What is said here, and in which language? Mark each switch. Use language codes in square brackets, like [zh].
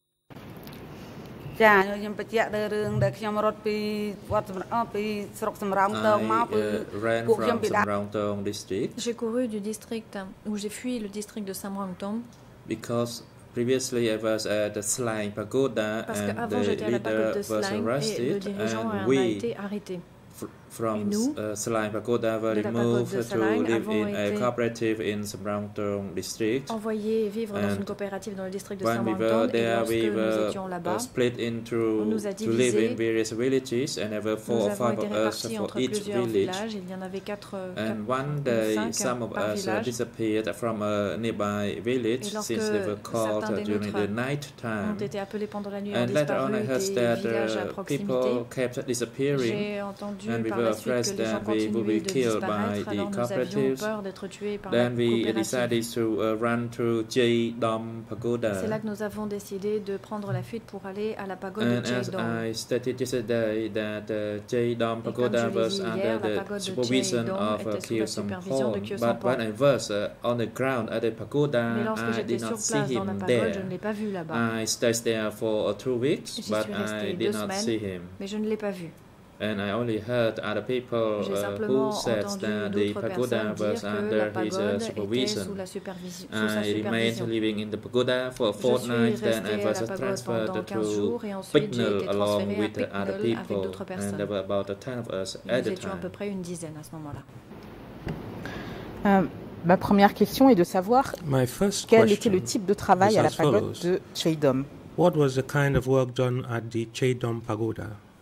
[en] I ran from Samrang Tong district. [fr] J'ai couru du district où j'ai fui le district de Samrang Tong. [en] Because previously I was at the Slang Pagoda and the leader was arrested and we from Slang Pagoda were removed to live in a cooperative in Samrang Tong district. [fr] Envoyé vivre dans une coopérative dans le district de Samrang Tong. [en] When we were there, we were split into to live in various villages, and there were four or five of us for each village. And one day, some of us disappeared from a nearby village since they were called during the night time. And later on, I heard that people kept disappearing. We were afraid that we would be killed by the cooperatives. Then we decided to run to Chea Dom Pagoda. [fr] C'est là que nous avons décidé de prendre la fuite pour aller à la pagode de Chea Dom. [en] And I stated yesterday that Chea Dom Pagoda was under the supervision of Kyo Sampol. But when I was on the ground at the pagoda, I did not see him there. [fr] Je ne l'ai pas vu là-bas. [en] I stayed there for 2 weeks, but I did not see him. [fr] Mais je ne l'ai pas vu. [en] And I only heard other people who said that the pagoda was under his supervision. I remained living in the pagoda for a fortnight, then I was transferred to Pignol along with other people, and there were about 10 of us at the time. [fr] À peu près une dizaine à ce moment-là. Ma première question est de savoir quel était le type de travail à la pagode de Chea Dom. [en] What was the kind of work done at the Chea Dom pagoda?